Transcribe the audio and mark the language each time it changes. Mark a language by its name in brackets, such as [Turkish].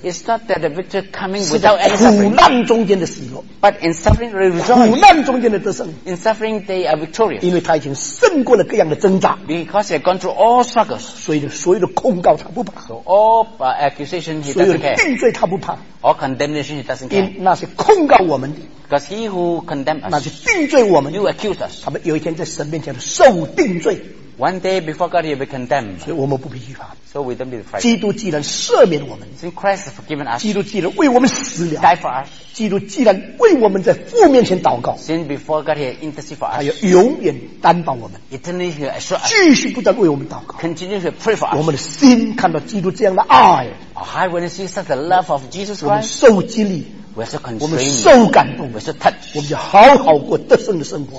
[English] It's not that the victory coming without any suffering [Chinese] 是苦难中间的喜乐 [English] But in suffering they rejoice [Chinese] 苦难中间的得胜 [English] In suffering they are victorious [Chinese] 因为他已经胜过了各样的挣扎 [English] Because they have gone through all struggles [Chinese] 所以所有的控告他不怕 [English] So all accusation he doesn't care [Chinese] 所有的定罪他不怕 [English] All condemnation he doesn't care [Chinese] 因那些控告我们的 [English] Because he who condemn us [Chinese] 那些定罪我们的 [English] You accuse us [Chinese] 他们有一天在神面前受定罪 [English] One day before God, you'll be condemned. [Chinese] 所以我们不必惧怕。 [English] So we don't be afraid. [Chinese] 基督既然赦免我们 [English] ，Since Christ has forgiven us. [Chinese] 基督既然为我们死了 [English] ，Die for us. [Chinese] 基督既然为我们在父面前祷告 [English] ，Since before God, he intercede for us. [Chinese] 他要永远担保我们 [English] ，Eternally he assures us. [Chinese] 继续不断为我们祷告 [English] ，Continue to pray for us. [Chinese] 我们的心看到基督这样的爱 [English] ，Our heart when we see such the love of Jesus Christ. [Chinese] 我们受激励。 [English] We are so constrained. [Chinese] 我们受感动 [English] We are so touched. [Chinese] 我们就好好过得胜的生活